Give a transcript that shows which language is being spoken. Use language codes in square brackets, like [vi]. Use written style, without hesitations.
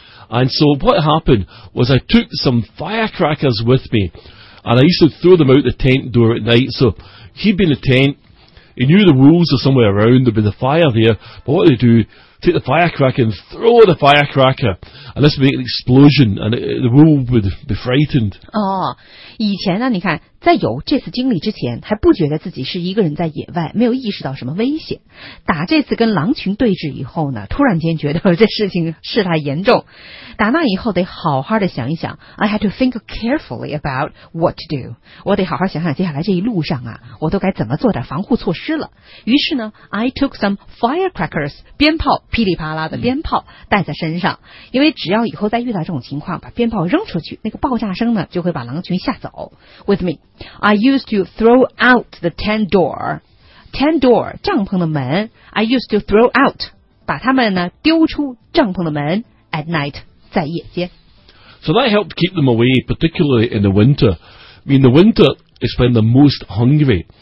[en] And so what happened was I took some firecrackers with me. And I used to throw them out the tent door at night. So he'd be in the tent. He knew the wolves were somewhere around, there'd be the fire there, but what they'd do, take the firecracker and throw the firecracker, and this would make an explosion, and the wolf would be frightened. [zh] 哦，以前呢，你看，在有这次经历之前，还不觉得自己是一个人在野外，没有意识到什么危险。打这次跟狼群对峙以后呢，突然间觉得这事情事态严重。打那以后得好好的想一想 [en] ，I had to think carefully about what to do. [zh] 我得好好想想接下来这一路上啊，我都该怎么做点防护措施了。于是呢 [en] ，I took some firecrackers, 鞭炮。 [zh] 噼里啪啦的鞭炮带在身上，因为只要以后再遇到这种情况，把鞭炮扔出去，那个爆炸声呢，就会把狼群吓走。 [en] With me, I used to throw out the tent door. Tent door, [zh] 帐篷的门。 [en] I used to throw out, [zh] 把他们呢丢出帐篷的门。 [en] At night, [zh] 在夜间。 [en] So that helped keep them away, particularly in the winter. I mean, the winter is when they're most hungry.